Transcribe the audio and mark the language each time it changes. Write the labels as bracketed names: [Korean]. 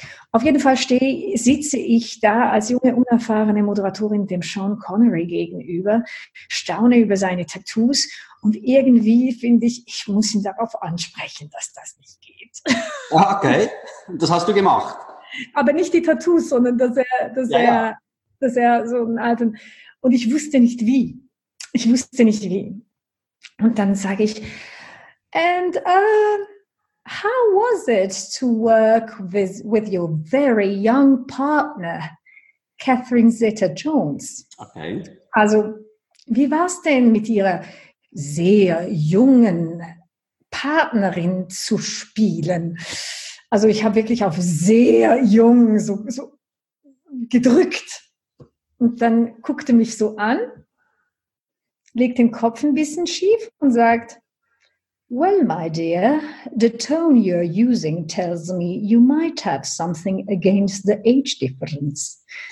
[German] Auf jeden Fall sitze ich da als junge, unerfahrene Moderatorin dem Sean Connery gegenüber, staune über seine Tattoos und irgendwie finde ich, ich muss ihn darauf ansprechen, dass das nicht geht. Okay, das hast du gemacht. Aber nicht die Tattoos, sondern dass er so einen alten... Und ich wusste nicht, wie. Und dann sage ich, [English] how was it to work with your very young partner, Catherine Zeta-Jones? [German] Okay. Also, wie war es denn, mit ihrer sehr jungen Partnerin zu spielen? Also, ich habe wirklich auf sehr jung so gedrückt. Und dann guckte mich so an, legt den Kopf ein bisschen schief und sagt, [English] well, my dear, the tone you're using tells me you might have something against the age difference.